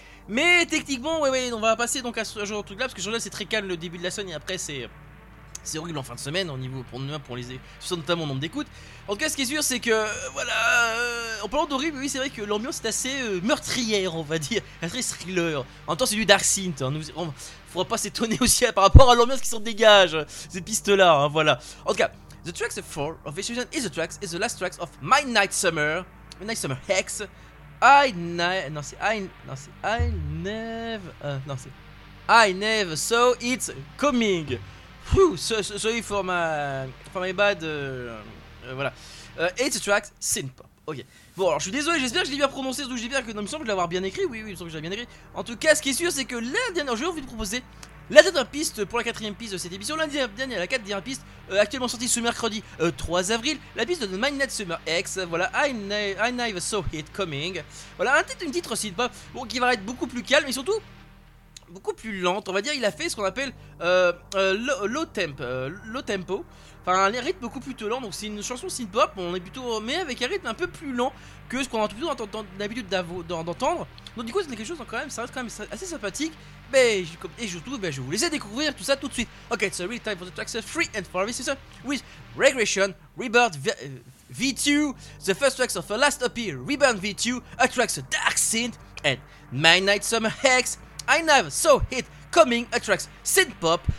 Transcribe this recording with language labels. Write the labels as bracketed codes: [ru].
[fr] Mais techniquement, ouais, on va passer donc à ce genre de truc là, parce que genre là c'est très calme le début de la semaine, et après c'est horrible en fin de semaine, au niveau pour nous, pour les sur notamment le nombre d'écoutes. En tout cas, ce qui est sûr, c'est que, voilà, en parlant d'horrible, oui, c'est vrai que l'ambiance est assez meurtrière, on va dire, assez thriller. En même temps, c'est du Dark Synth, hein, faudra pas s'étonner aussi par rapport à l'ambiance qui s'en dégage, ces pistes-là, hein, voilà. En tout cas, [en] The Tracks of 4 of Vision is the tracks, is the last tracks of My Night Summer, Hex, I never saw it coming. Phew, sorry for my bad, voilà. It's a track, synth-pop. Ok. [fr] Bon, alors, je suis désolé, j'espère que je l'ai bien prononcé, donc j'espère que, non, il me semble que je l'ai bien écrit. Oui, il me semble que je l'ai bien écrit. En tout cas, ce qui est sûr, c'est que la dernière, j'ai envie de proposer la dernière piste pour la quatrième piste de cette émission, la dernière, la quatrième piste, actuellement sortie ce mercredi 3 avril, la piste de My Night Summer X, voilà, I Never Saw It Coming. Voilà, un titre, une titre synth-pop, bon, qui va être beaucoup plus calme, et surtout, beaucoup plus lente, on va dire, il a fait ce qu'on appelle low tempo, enfin un rythme beaucoup plus lent, donc c'est une chanson synth-pop, on est plutôt, mais avec un rythme un peu plus lent que ce qu'on a plutôt l'habitude d'entendre, donc du coup c'est quelque chose, donc, quand même, ça reste quand même assez sympathique, et surtout, je vous laisse découvrir tout ça tout de suite. [en] Ok, it's a real time for the tracks 3 and 4 of this season, with Regression, Rebirth V2, the first tracks of the last EP, Rebirth V2, attracts a dark synth, and My Night Summer Hex, I never saw it coming, attracts synth pop.